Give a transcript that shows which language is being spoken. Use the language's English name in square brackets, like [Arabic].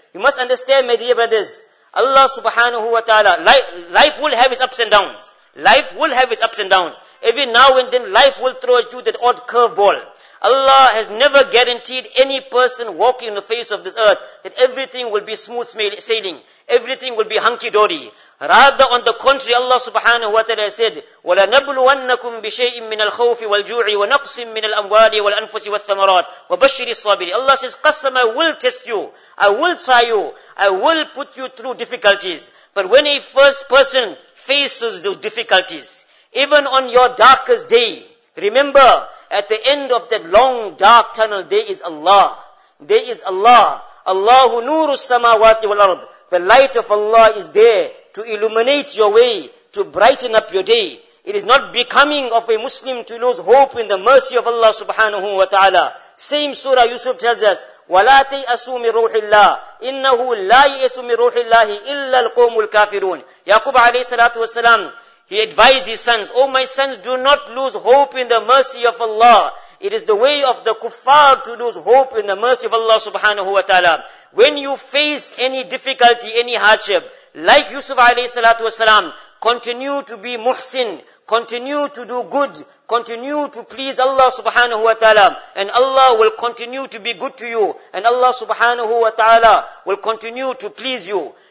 [English] You must understand, my dear brothers, Allah subhanahu wa ta'ala, life will have its ups and downs. Life will have its ups and downs. Every now and then life will throw at you that odd curveball. Allah has never guaranteed any person walking on the face of this earth that everything will be smooth sailing. Everything will be hunky-dory. Rather, on the contrary, Allah subhanahu wa ta'ala said, [Arabic] وَلَنَبْلُوَنَّكُمْ بِشَيْءٍ مِّنَ الْخَوْفِ وَالْجُوعِ وَنَقْصٍ مِّنَ الْأَمْوَالِ وَالْأَنفُسِ وَالثَّمَرَاتِ وَبَشِّرِ الصَّابِرِ. [English] Allah says, قَسَّمَ, I will test you. I will try you. I will put you through difficulties. But when a first person faces those difficulties, even on your darkest day, remember, at the end of that long, dark tunnel, there is Allah. There is Allah. [Arabic] Allahu nuru samawati wal ard. [English] The light of Allah is there to illuminate your way, to brighten up your day. It is not becoming of a Muslim to lose hope in the mercy of Allah subhanahu wa ta'ala. Same surah Yusuf tells us, [Arabic] وَلَا تَيْأَسُوا مِنْ رُوحِ اللَّهِ إِنَّهُ لَا يَيْأَسُوا مِنْ رُوحِ اللَّهِ إِلَّا الْقَوْمُ الْكَافِرُونَ. [English] Yaqub alayhi salatu wasalam, he advised his sons, O my sons, do not lose hope in the mercy of Allah. It is the way of the kuffar to lose hope in the mercy of Allah subhanahu wa ta'ala. When you face any difficulty, any hardship, like Yusuf alayhi salatu wasalam, continue to be muhsin, continue to do good, continue to please Allah subhanahu wa ta'ala, and Allah will continue to be good to you, and Allah subhanahu wa ta'ala will continue to please you.